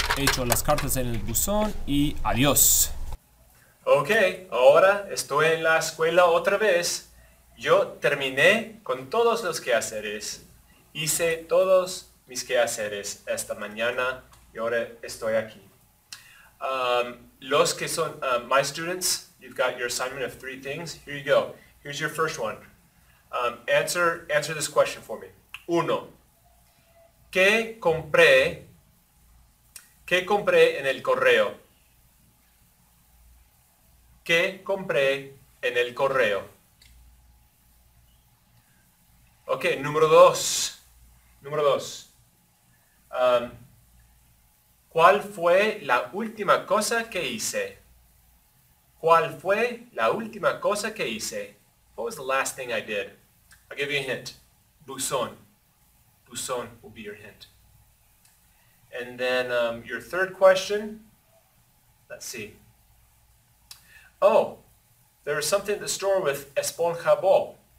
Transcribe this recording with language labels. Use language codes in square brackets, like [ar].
[es] Echo las cartas en el buzón y adiós. Ok, ahora estoy en la escuela otra vez. Yo terminé con todos los quehaceres. Hice todos mis quehaceres esta mañana y ahora estoy aquí. Los que son [en] my students, you've got your assignment of three things. Here you go. Here's your first one. Answer this question for me. [es] Uno. ¿Qué compré en el correo? ¿Qué compré en el correo? Ok, número dos. ¿Cuál fue la última cosa que hice? ¿Cuál fue la última cosa que hice? [en] What was the last thing I did? I'll give you a hint. Buzón. Buzón will be your hint. And then your third question. Let's see. Oh, there is something in the store with Esponja Bob.